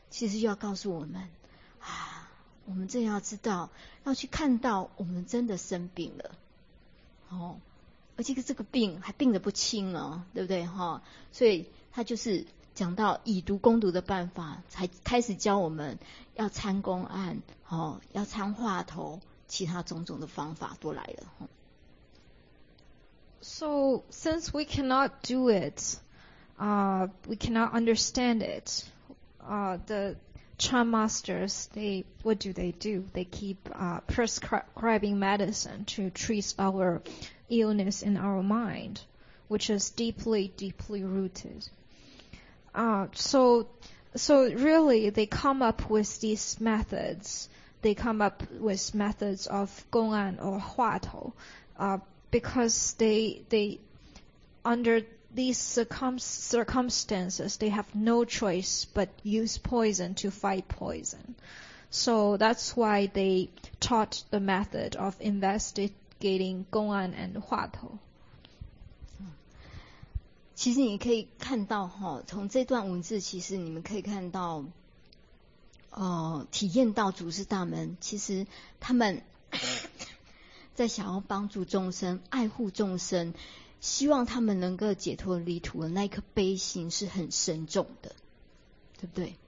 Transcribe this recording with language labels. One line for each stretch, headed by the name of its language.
Chinese: 其实就要告诉我们啊，我们真要知道，要去看到我们真的生病了，哦，而且这个病还病得不轻哦，对不对哈？所以他就是讲到以毒攻毒的办法，才开始教我们要参公案，哦，要参话头，其他种种的方法都来了。
English: So since we cannot do it, we cannot understand it, the Chan Masters, they, what do? They keep prescribing medicine to treat our illness in our mind, which is deeply, deeply rooted. So really they come up with these methods. They come up with methods of gong an or hua tou, because they under these circumstances, they have no choice but use poison to fight poison. So that's why they taught the method of investigating gong an and hua tou.
Chinese: 其实你可以看到哈，从这段文字，其实你们可以看到，体验到祖师大们其实他们在想要帮助众生、爱护众生，希望他们能够解脱离土的那一颗悲心是很深重的，对不对？